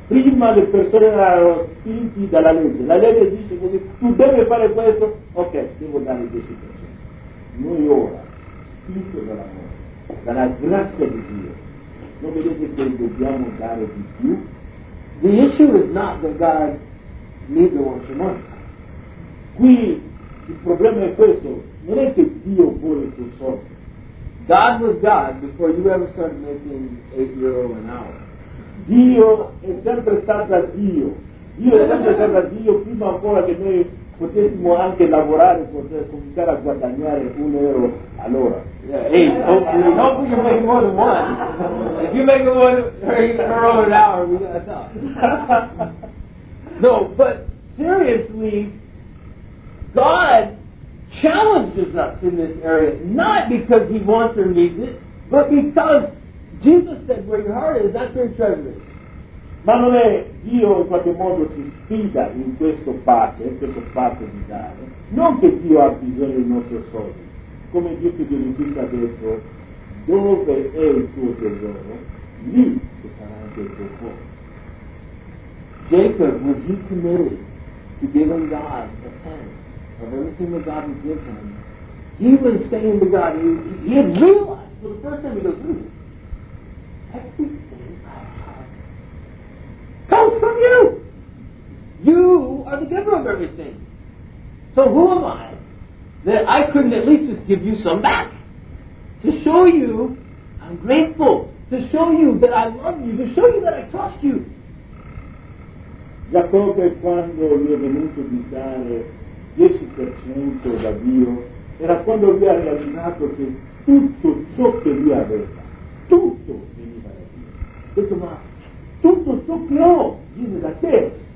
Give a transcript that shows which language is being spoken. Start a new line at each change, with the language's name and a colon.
Italian: Prima le persone erano spinti dalla legge. La legge dice così, tu devi fare questo, ok, devo dare 10%. Noi ora, spinto dall'amore, dalla grazia di Dio, non vedete che dobbiamo dare di più?
English: The issue is not that God neither wants your money.
Italian: Qui il problema è questo, non è che Dio vuole che soldi.
English: God was God before you ever started making €8 an hour.
Italian: Dio è sempre stato Dio. Dio è sempre stato Dio prima ancora che noi potessimo anche lavorare, poter cominciare a guadagnare €1 all'ora.
English: Yeah, hey, hopefully you make more than one. If you make €1 an hour, we got to talk. No, but seriously, God challenges us in this area, not because he wants or needs it, but because Jesus said, where your heart is, that's where your treasure is.
Italian: Ma non è Dio in qualche modo ci sfida in questo parte di dare, non che Dio ha bisogno dei nostri soldi. Come Dio ti dice qui ha detto, dove è il tuo tesoro, lì ci sarà anche il tuo cuore.
English: Jacob was he committed to giving God a tenth of everything that God would give him. He was saying to God, he had realized for the first time he goes, ooh, comes from you. You are the giver of everything. So who am I that I couldn't at least just give you some back? To show you I'm grateful. To show you that I love you. To show you that I trust you.
Italian: Giacobbe, quando gli è venuto di dare 10% da Dio, era quando lui ha realizzato che tutto ciò che lui aveva, tutto veniva da Dio. Detto, ma tutto ciò che ho viene da te.